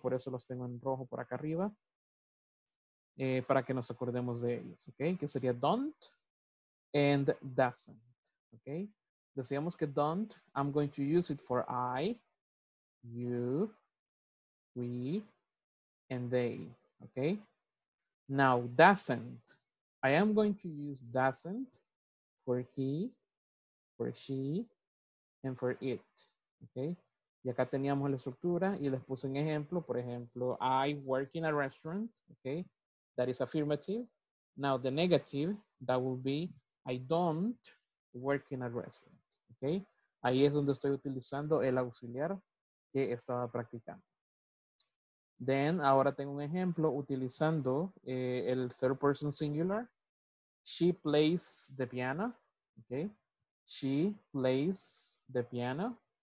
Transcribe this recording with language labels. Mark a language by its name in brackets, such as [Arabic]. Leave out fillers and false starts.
[Spanish] Por eso los tengo en rojo por acá arriba para que nos acordemos de ellos, ¿ok? Que sería [English] don't and doesn't, [Spanish] ¿ok? Decíamos que [English] don't, I'm going to use it for I, you, we, and they. Okay? Now, doesn't. I am going to use doesn't for he, for she, and for it. Okay? [Spanish] Y acá teníamos la estructura y les puse un ejemplo. [English] Por ejemplo, I work in a restaurant. Okay? That is affirmative. Now, the negative, that will be I don't work in a restaurant. Okay? [Spanish] Ahí es donde estoy utilizando el auxiliar que estaba practicando. [English] Then, [Spanish] ahora tengo un ejemplo utilizando el [English] third person singular. She plays the piano. Okay. She plays the piano.